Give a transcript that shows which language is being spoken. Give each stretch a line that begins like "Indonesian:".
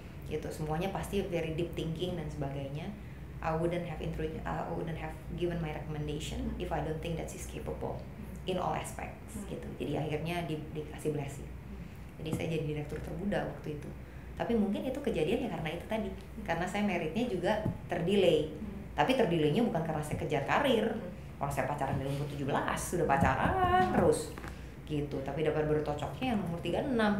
Indonesian: Gitu, semuanya pasti
English: very deep thinking
Indonesian: dan sebagainya.
English: I wouldn't have given my recommendation if I don't think that she's capable in all aspects.
Indonesian: Gitu. Jadi akhirnya dikasih blessing. Jadi saya jadi direktur termuda waktu itu. Tapi mungkin itu kejadian ya karena itu tadi. Karena saya meritnya juga terdelay. Tapi terdelaynya bukan karena saya kejar karir. Orang saya pacaran dari umur 17, sudah pacaran terus gitu, tapi dapat bercocoknya yang umur 36.